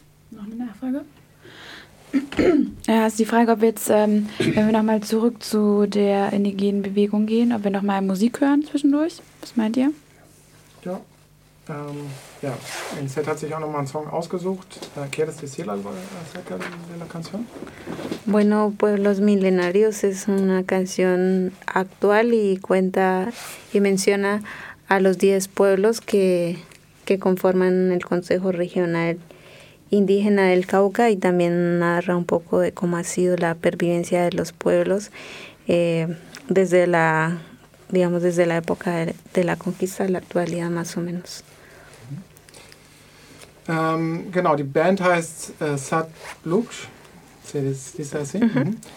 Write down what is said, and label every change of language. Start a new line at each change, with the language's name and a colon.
German: Noch eine Nachfrage? Ja, ist die Frage, ob wir jetzt, wenn wir nochmal zurück zu der indigenen Bewegung gehen, ob wir nochmal Musik hören zwischendurch? Was meint ihr? Ja. Ja, Inset hat sich auch nochmal einen Song ausgesucht.
Spanish: ¿Quieres decir algo acerca de la canción? Bueno, Pueblos Milenarios es una canción actual y cuenta y menciona a los 10 pueblos que conforman el Consejo Regional Indígena del Cauca, y también narra un poco de cómo ha sido la pervivencia de los pueblos desde la época de la conquista a la actualidad, más o menos.
German: Genau, die Band heißt Satluj,
Spanish: dice así.
German: Mhm.